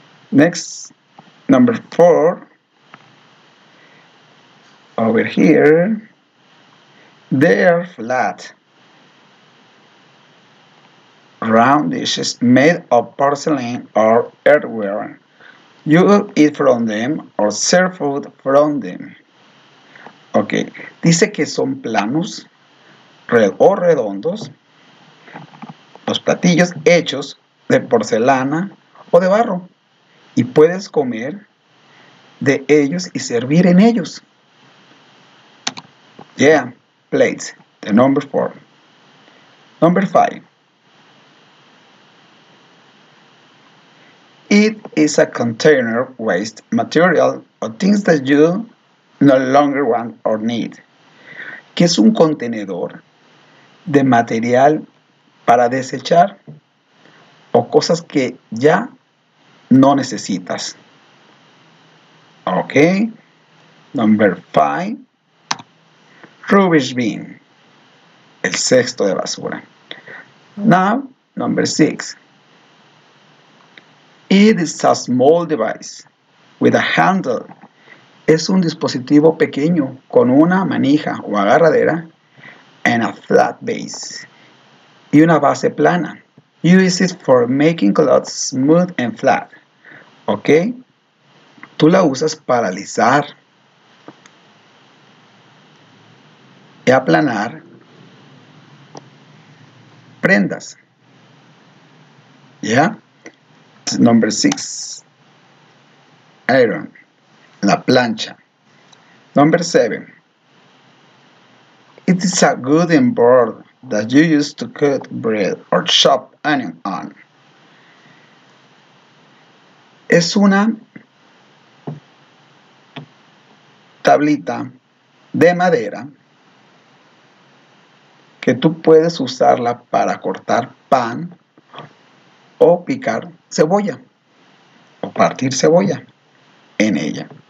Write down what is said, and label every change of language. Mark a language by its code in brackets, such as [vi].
[en] Next, number four, over here, they are flat, round dishes made of porcelain or earthenware. You will eat from them or serve food from them. [es] Okay, dice que son planos o redondos, los platillos hechos de porcelana o de barro. Y puedes comer de ellos y servir en ellos. [en] Yeah, plates, the number four. Number five. It is a container waste material or things that you no longer want or need. [es] Que es un contenedor de material para desechar o cosas que ya no necesitas. [en] Ok. Number five. Rubbish bin. [es] El sexto de basura. [en] Now, number six. It is a small device with a handle. [es] Es un dispositivo pequeño con una manija o agarradera [en] and a flat base. [es] Y una base plana. [en] You use it for making clothes smooth and flat. [es] Ok, tú la usas para alisar y aplanar prendas. [en] Yeah, number six, iron, [es] la plancha. [en] Number seven, it is a good and broad that you use to cut bread or chop onion on. [es] Es una tablita de madera que tú puedes usarla para cortar pan o picar cebolla o partir cebolla en ella.